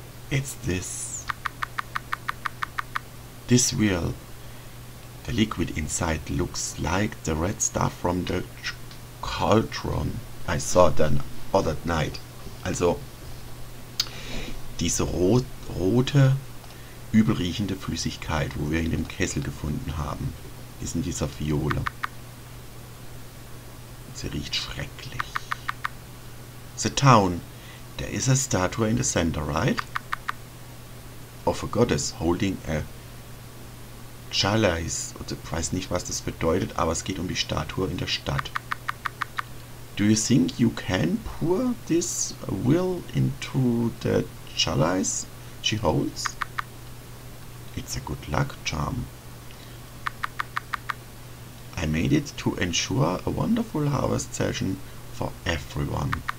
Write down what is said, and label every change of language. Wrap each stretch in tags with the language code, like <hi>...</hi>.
<en>It's this. This wheel. The liquid inside looks like the red stuff from the cauldron I saw then other night.</en> <de>Also, diese rote, übelriechende Flüssigkeit, wo wir in dem Kessel gefunden haben, ist in dieser Fiole. Sie riecht schrecklich.</de> <en>The town. There is a statue in the center, right? Of a goddess holding a chalice.</en> <de>Ich weiß nicht, was das bedeutet, aber es geht um die Statue in der Stadt.</de> <en>Do you think you can pour this will into the chalice she holds? It's a good luck charm. I made it to ensure a wonderful harvest session for everyone.</en>